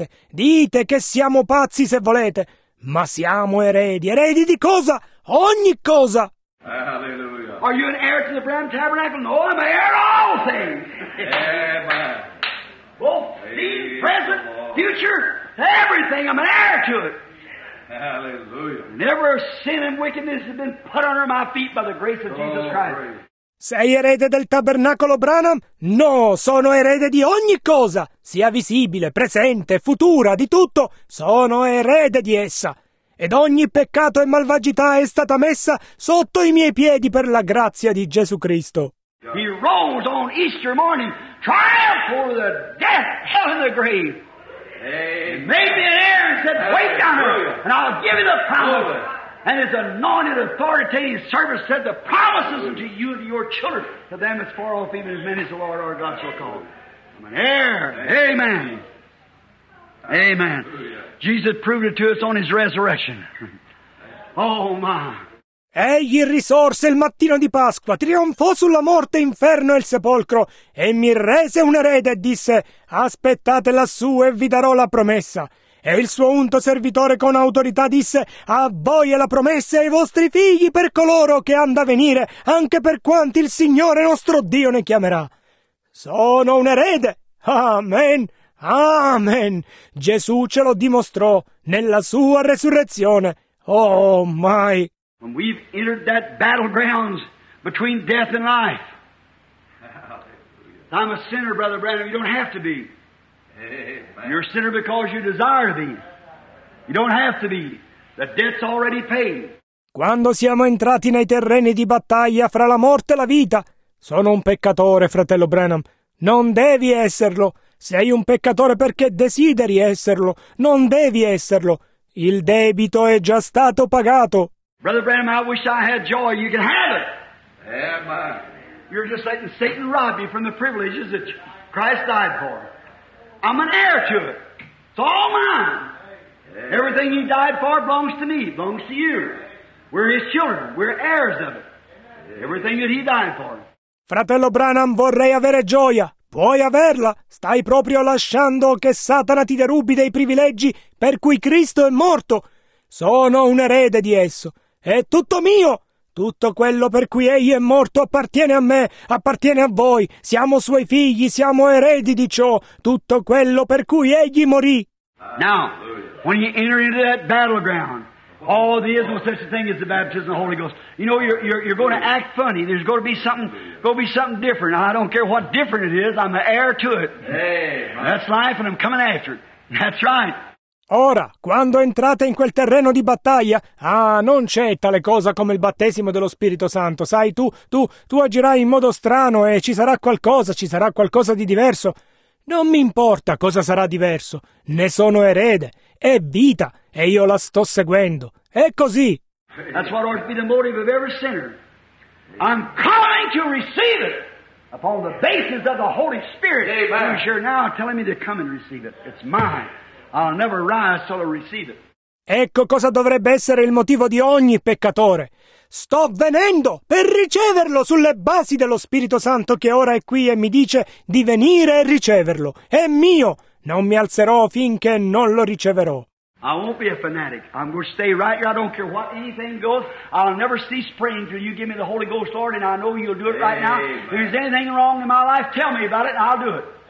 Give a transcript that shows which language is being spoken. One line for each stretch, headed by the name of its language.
Italian: Dite che siamo pazzi se volete. Ma siamo eredi. Eredi di cosa? Ogni cosa!
English: Hallelujah. Are you an heir to the Brown Tabernacle? No, I'm an heir of all things. Amen. Both seen, present, future, everything. I'm an heir to it. Hallelujah. Never sin and wickedness has been put under my feet by the grace of Jesus Christ.
Italian: Sei erede del tabernacolo Branham? No, sono erede di ogni cosa, sia visibile, presente, futura, di tutto, sono erede di essa. Ed ogni peccato e malvagità è stata messa sotto i miei piedi per la grazia di Gesù Cristo.
English: He rose on Easter morning, triumphed over the death, hell and the grave. Made me an heir and said, wait down here, and I'll give you the power. And his anointed, authoritative servant said, the promises unto you and to your children, to them as far off even as many as the Lord our God shall call. I'm an heir. Amen. Amen. Jesus proved it to us on his resurrection. Oh my.
Italian: Egli risorse il mattino di Pasqua, trionfò sulla morte, inferno e il sepolcro, e mi rese un erede e disse, aspettate lassù e vi darò la promessa. E il suo unto servitore con autorità disse, a voi è la promessa e ai vostri figli per coloro che han da venire, anche per quanti il Signore nostro Dio ne chiamerà. Sono un erede. Amen. Amen. Gesù ce lo dimostrò nella sua resurrezione. Oh, mai.
English: When we've entered that battleground between death and life. Hallelujah. I'm a sinner, Brother Branham. You don't have to be. Amen. You're a sinner because you desire to be. You don't have to be. The debt's already paid.
Italian: Quando siamo entrati nei terreni di battaglia fra la morte e la vita, sono un peccatore, fratello Branham. Non devi esserlo. Sei un peccatore perché desideri esserlo. Non devi esserlo. Il debito è già stato pagato.
English: Brother Branham, I wish I had joy. You can have it. Amen. You're just letting Satan rob you from the privileges that Christ died for. I'm an heir to it. It's all mine. Everything he died for belongs to me, belongs to you. We're his children. We're heirs of it. Everything that he died for.
Italian: Fratello Branham, vorrei avere gioia. Puoi averla. Stai proprio lasciando che Satana ti derubi dei privilegi per cui Cristo è morto. Sono un erede di esso. È tutto mio. Tutto quello per cui egli è morto appartiene a me, appartiene a voi. Siamo suoi figli, siamo eredi di ciò. Tutto quello per cui egli morì.
English: Now, when you enter into that battleground, all the is no such a thing as the baptism of the Holy Ghost. You know, you're going to act funny. There's going to be something, different. I don't care what different it is. I'm the heir to it. Hey, that's life, and I'm coming after it. That's right.
Italian: Ora, quando entrate in quel terreno di battaglia, non c'è tale cosa come il battesimo dello Spirito Santo. Sai, tu agirai in modo strano e ci sarà qualcosa di diverso. Non mi importa cosa sarà diverso. Ne sono erede. È vita. E io la sto seguendo. È così.
English: That's what ought to be the motive of every sinner. I'm calling to receive it upon the basis of the Holy Spirit. Amen. You're sure now telling me to come and receive it. It's mine. I'll never rise till I receive it.
Italian: Ecco cosa dovrebbe essere il motivo di ogni peccatore. Sto venendo per riceverlo sulle basi dello Spirito Santo che ora è qui e mi dice di venire e riceverlo. È mio! Non mi alzerò finché non lo riceverò.
English: I won't be a fanatic. I'm going to stay right here. I don't care what anything goes. I'll never cease praying until you give me the Holy Ghost, Lord, and I know you'll do it right now. If there's anything wrong in my life, tell me about it and I'll do it.